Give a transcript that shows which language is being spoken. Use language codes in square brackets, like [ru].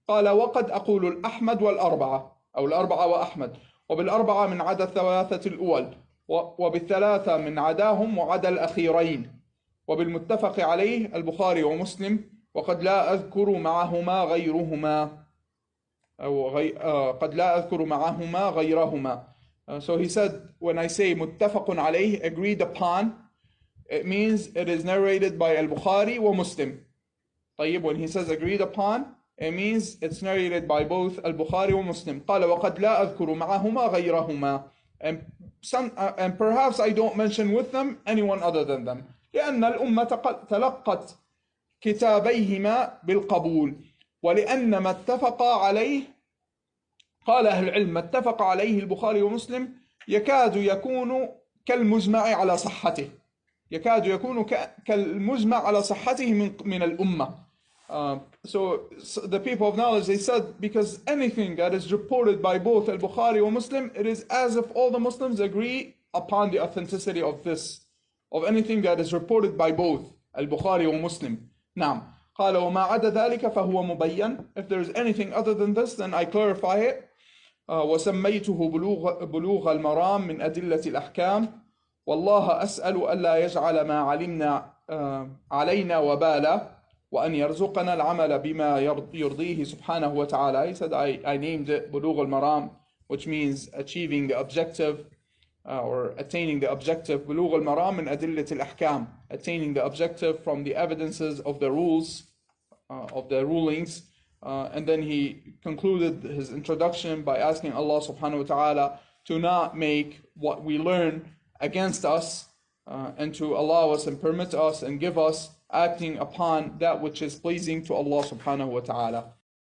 [ar] قال وقد أقول الأحمد والأربعة أو الأربعة وأحمد، وبالأربعة من عدا الثلاثة الأول، وبالثلاثة من عداهم وعدا الأخيرين، وبالمتفق عليه البخاري ومسلم، وقد لا أذكر معهما غيرهما أو قد لا أذكر معهما غيرهما. [en] So he said, when I say متفق عليه, agreed upon, it means it is narrated by البخاري ومسلم. طيب, when he says agreed upon, it means it's narrated by both al-Bukhari and Muslim. [ar] قال وقد لا أذكر معهما غيرهما. [en] And perhaps I don't mention with them anyone other than them. [ar] لأن الأمة تلقت كتابيهما بالقبول. ولأن ما اتفق عليه, قال أهل العلم, ما اتفق عليه البخاري ومسلم يكاد يكون كالمجمع على صحته. يكاد يكون كالمجمع على صحته من الأمة. [en] So the people of knowledge, they said, because anything that is reported by both al-Bukhari and Muslim, it is as if all the Muslims agree upon the authenticity of this, of anything that is reported by both al-Bukhari and Muslim. [ar] Naam. قال وما عدا ذلك فهو مبين. [en] If there is anything other than this, then I clarify it. [ar] وسميته بلوغ المرام من أدلة الأحكام. والله أسأل ألا يجعل ما علمنا علينا وبالا. وأن يرزقنا العمل بما يرضيه سبحانه وتعالى. [en] He said, I named it بلوغ المرام, which means achieving the objective or attaining the objective. بلوغ المرام من أدلة الأحكام, attaining the objective from the evidences of the rules, of the rulings. And then he concluded his introduction by asking Allah subhanahu wa ta'ala to not make what we learn against us, and to allow us and permit us and give us acting upon that which is pleasing to Allah subhanahu wa ta'ala.